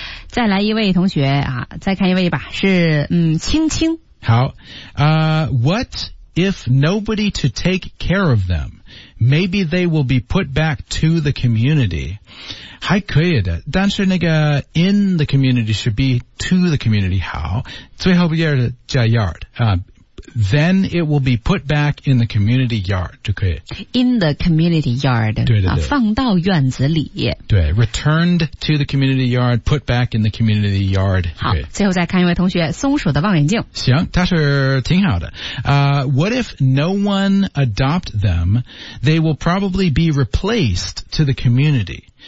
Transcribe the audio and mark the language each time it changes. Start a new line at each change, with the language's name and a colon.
Chinese: 再来一位同学啊再看一位吧是青青。
English: 好what if nobody to take care of them, maybe they will be put back to the community.
Chinese: 还可以的但是那个
English: in the community should be to the community
Chinese: 好最后边加
English: yard,、then it will be put back in the community yard,
Chinese: 就可以。
English: In the community yard,
Chinese: 对对对、啊、放到院子里。
English: 对 ,returned to the community yard, put back in the community yard.
Chinese: 好最后再看一位同学松鼠的望远镜。行它是挺好的。
English: What if no one adopt them, they will probably be replaced to the community.